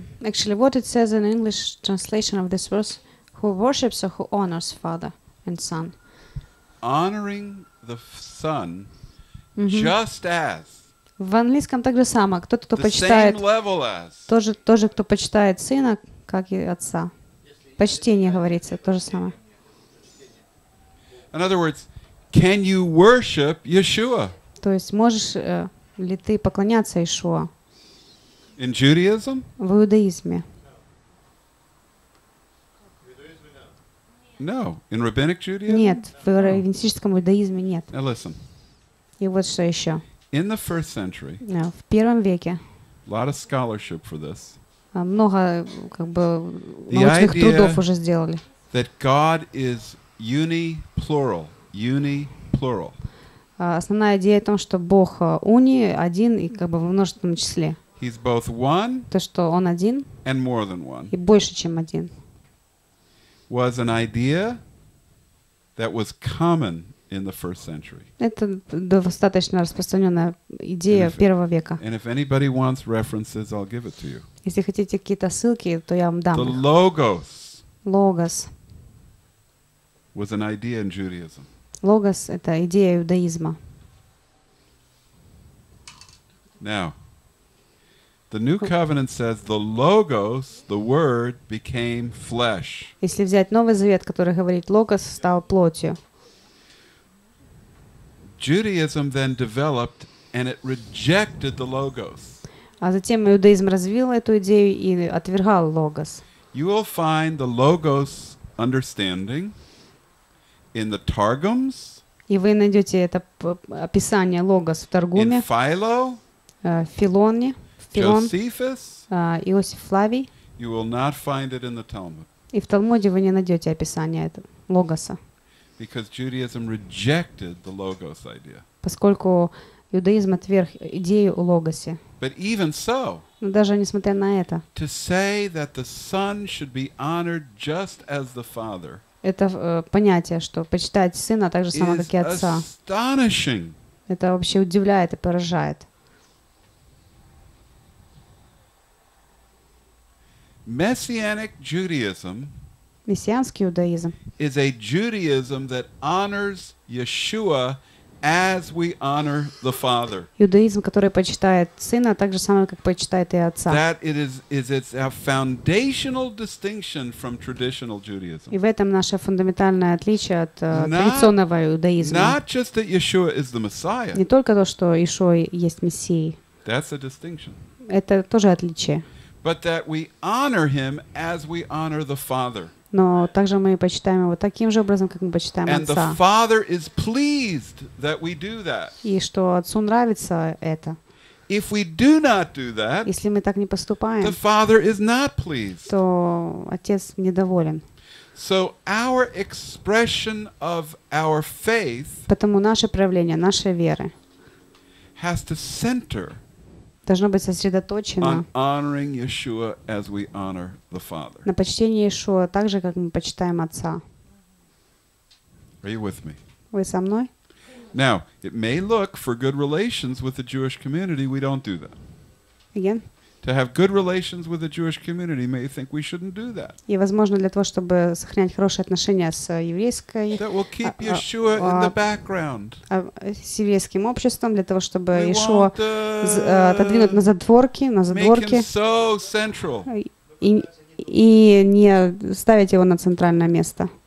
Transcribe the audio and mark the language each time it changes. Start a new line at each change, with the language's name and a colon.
English: Actually, what it says in English translation of this verse, who worships or who honors Father and Son. Honoring the Son just as.
Russian: В английском так же само. Кто-то, кто почитает, тоже, кто почитает Сына, как и Отца. Почтение говорится, то же самое.
English: In other words, can you worship Yeshua?
Russian: То есть, можешь ли ты поклоняться Иешуа?
English: In Judaism?
Russian: В иудаизме.
English: No. In rabbinic Judaism?
Russian: Нет, в раввинистическом иудаизме нет.
English: Now listen.
Russian: И вот что еще.
English: In the first century.
Russian: В первом веке.
English: A lot of scholarship for this.
Russian: Много как бы научных трудов уже сделали.
English: That God is uni-plural. Uni-plural.
Russian: Основная идея в том, что Бог уни, один и как бы во множественном числе.
English: He's both one
Russian: то, что он один,
English: and more than one.
Russian: И больше, чем один.
English: Was an idea that was common in the first century.
Russian: Это достаточно распространенная идея первого века.
English: And if anybody wants references, I'll give it to you.
Russian: Если хотите какие-то ссылки, то я вам дам.
English: The Logos.
Russian: Logos.
English: Was an idea in Judaism.
Russian: Logos — это идея иудаизма.
English: Now. The New Covenant says the Logos, the Word, became flesh.
Russian: Если взять Новый Завет, который говорит, Логос стал плотью.
English: Judaism then developed and it rejected the Logos.
Russian: А затем иудаизм развил эту идею и отвергал Логос.
English: You will find the Logos understanding in the Targums.
Russian: И вы найдете это описание Логос в Таргуме.
English: In Philo.
Russian: Филоне.
English: Josephus,
Russian: Иосиф Флавий.
English: You will not find it in the Talmud.
Russian: И в Талмуде вы не найдете описания этого Логоса.
English: Because Judaism rejected the logos idea.
Russian: Поскольку иудаизм отверг идею о логосе.
English: But even so.
Russian: Но даже несмотря на это.
English: To say that the Son should be honored just as the Father.
Russian: Это понятие, что почитать Сына так же само, как и Отца.
English: Astonishing.
Russian: Это вообще удивляет и поражает.
English: Messianic Judaism.
Russian: Мессианский иудаизм.
English: Is a Judaism that honors Yeshua as we honor the Father.
Russian: Иудаизм, который почитает Сына так же самое, как почитает и Отца.
English: That it is it's a foundational distinction from traditional Judaism.
Russian: И в этом наше фундаментальное отличие от традиционного иудаизма.
English: Not just that Yeshua is the Messiah.
Russian: Не только то, что Иешуа есть Мессией.
English: That's a distinction.
Russian: Это тоже отличие.
English: But that we honor him as we honor the Father.
Russian: Но также мы почитаем его таким же образом, как мы почитаем
English: And
Russian: Отца.
English: And the Father is pleased that we do that.
Russian: И что Отцу нравится это.
English: If we do not do that,
Russian: если мы так не поступаем,
English: the Father is not pleased.
Russian: То Отец недоволен.
English: So our expression of our faith,
Russian: потому наше проявление нашей веры,
English: has to center.
Russian: Должно быть сосредоточено на почтении Иешуа, так же, как мы почитаем Отца. Вы со мной?
English: Now, it may look for good relations with the Jewish community, we don't do that. Again? To have good relations with the Jewish community, may think we shouldn't do that.
Russian: И, возможно, для того, чтобы сохранять хорошие отношения с еврейской...
English: That will keep Yeshua in the background.
Russian: С еврейским обществом, для того, чтобы Иешуа отодвинуть на задворки.
English: Make him so central. И не ставить его на центральное место.